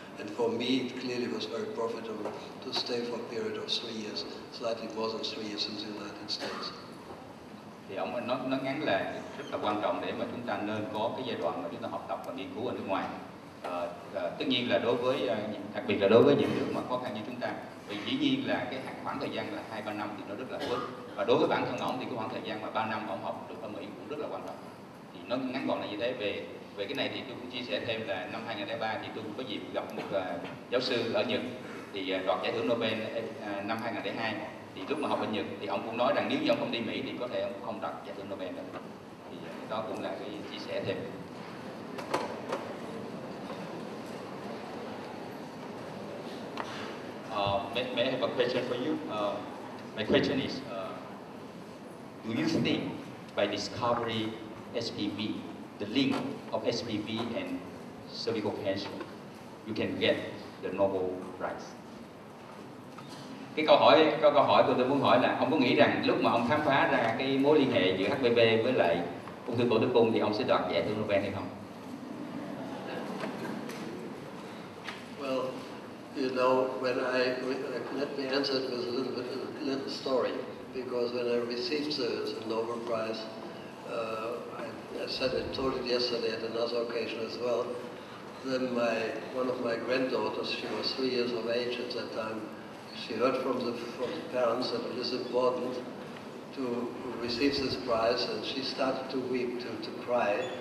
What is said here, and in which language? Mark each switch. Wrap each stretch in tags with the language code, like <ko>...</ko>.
<en>And for me, it clearly was very profitable to stay for a period of 3 years, slightly more than 3 years in the United States.</en> <vi>Thì ông nói ngắn là rất là quan trọng để mà chúng ta nên có cái giai đoạn mà chúng ta học tập và nghiên cứu ở nước ngoài. Tất nhiên là đối với, đặc biệt là đối với những nước mà khó khăn như chúng ta, vì dĩ nhiên là cái khoảng thời gian là 2-3 năm thì nó rất là ít. Và đối với bản thân ông thì cái khoảng thời gian mà 3 năm ông học được ở Mỹ cũng rất là quan trọng. Thì nó ngắn gọn là như thế. Về cái này thì tôi cũng chia sẻ thêm là năm 2003 thì tôi cũng có dịp gặp một giáo sư ở Nhật thì đoạt giải thưởng Nobel năm 2002. Thì lúc mà học ở Nhật thì ông cũng nói rằng nếu như ông không đi Mỹ thì có thể ông không đoạt giải thưởng Nobel được. Thì đó cũng là cái chia sẻ thêm.</vi> <en>May I have a question for you? My question is, do you think by discovery SPV, the link of SPV and cervical cancer, you can get the Nobel Prize?</en> <vi>Cái câu hỏi của tôi muốn hỏi là ông có nghĩ rằng lúc mà ông khám phá ra cái mối liên hệ giữa HPV với lại ung thư cổ tử cung thì ông sẽ đoạt giải thưởng Nobel hay không?</vi> <en>Well, you know, when I let me answer it with a little bit of a little story, because when I received the Nobel Prize, I told it yesterday at another occasion as well. Then one of my granddaughters, she was 3 years of age at that time, she heard from the parents that it is important to receive this prize, and she started to weep, to cry.</en>